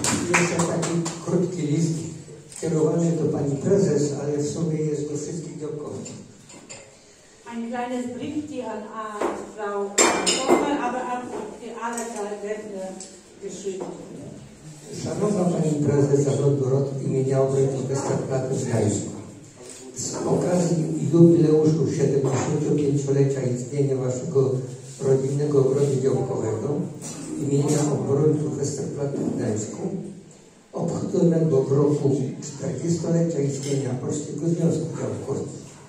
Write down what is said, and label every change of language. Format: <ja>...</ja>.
<pl>Jeszcze taki krótki list kierowany do Pani Prezes, ale w sumie jest do wszystkich działkowców.</pl> <de>Ein kleines Briefchen an Frau Kolbe, aber auch für alle Delegaten geschrieben.</de> <pl>Szanowna Pani Prezes Zarządu ROTR imienia Obrońców Westerplatte w Gdańsku. Z okazji jubileuszu 75-lecia istnienia Waszego rodzinnego ogrodu działkowego imienia obrońców Westerplatte w Gdańsku, obchodzonego w roku 40-lecia istnienia Polskiego Związku Działkowców.</pl>